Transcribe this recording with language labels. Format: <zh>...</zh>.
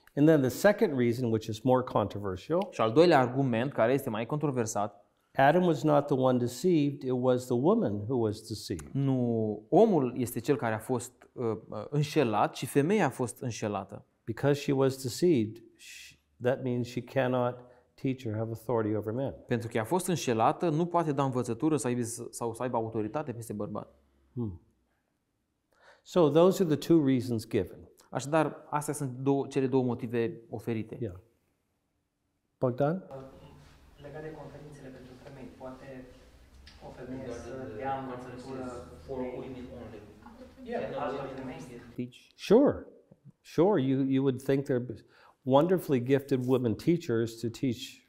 <en>And then the second reason, which is more controversial.</en> <ro>Și al doilea argument, care este mai controversat.</ro> <en>Adam was not the one deceived, it was the woman who was deceived.</en> <ro>Nu, omul este cel care a fost înșelat, ci femeia a fost înșelată.</ro> <en>Because she was deceived, that means she cannot teach or have authority over men.</en> <ro>Pentru că a fost înșelată, nu poate da învățătură sau să aibă autoritate peste bărbat. Hmm.</ro> <en>So those are the two reasons given.</en> <ro>Așadar, astea sunt cele două motive oferite.</ro> <en>Yeah. Bogdan?</en> <ro>Legat de conferințele pentru femei, poate o femeie de să dea învățătură</ro> <en>for women only.</en> <ro>Yeah, altă femeie.</ro> <en>Sure. Sure, you would think they're wonderfully gifted women teachers to teach.</en>